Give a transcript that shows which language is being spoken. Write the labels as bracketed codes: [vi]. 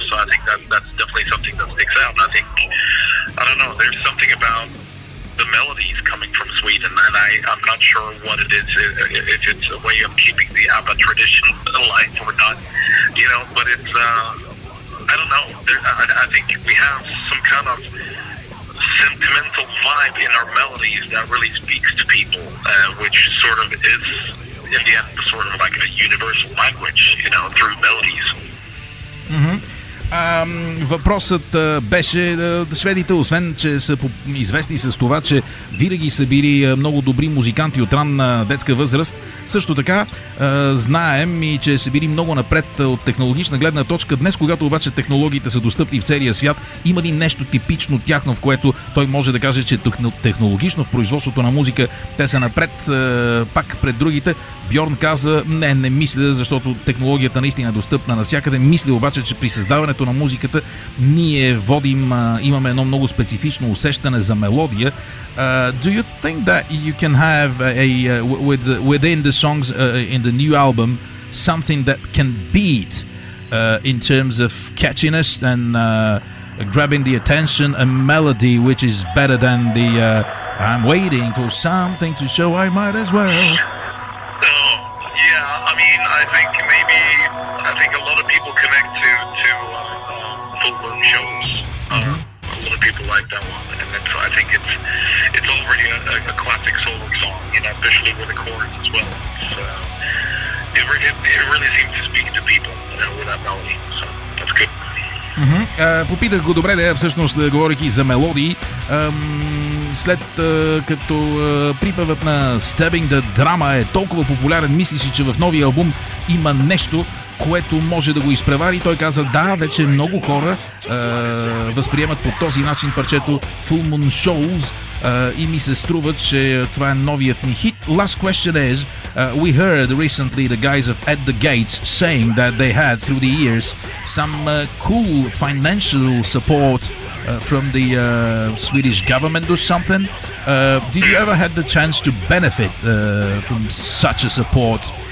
[en] So I think that's definitely something that sticks out. I think, I don't know, there's something about the melodies coming from Sweden, and I'm not sure what it is, if it's a way of keeping the ABBA tradition alive or not, you know, but it's, I don't know, I think we have some kind of sentimental vibe in our melodies that really speaks to people, which sort of is, in the end, sort of like a universal language, you know, through melodies. Mm-hmm. [bg] Въпросът беше шведите, освен че са известни с това, че винаги са били много добри музиканти от ранна детска възраст. Също така знаем и че са били много напред от технологична гледна точка. Днес, когато обаче технологиите са достъпни в целия свят, има ли нещо типично тяхно, в което той може да каже, че технологично в производството на музика те са напред пак пред другите? Бьорн каза, не мисля, защото технологията наистина е достъпна навсякъде. Мисля обаче, че при създаването на музиката ние водим, имаме едно много специфично усещане за мелодия. [en] Do you think that you can have within the songs in the new album something that can beat in terms of catchiness and grabbing the attention, a melody which is better than the I'm waiting for something to show I might as well? Yeah, I mean, I think a lot of people connect to Full Moon Shows. A lot of people like that one, and it's, I think it's already a classic soul song, you know, especially with the chorus as well. So it really seems to speak to people, you know, with that melody. So that's good. Mm-hmm. [bg] Попитах го добре, да, всъщност говорихи за мелодии. След като припевът на Stabbing the Drama е толкова популярен, мислиш ли, че в новия албум има нещо, което може да го изпревари? Той каза, да, вече много хора възприемат по този начин парчето Full Moon Shows и ми се струва, че това е новият ни хит. [en] Last question is, we heard recently the guys of At The Gates saying that they had through the years some cool financial support from the Swedish government or something. Did you ever had the chance to benefit from such a support?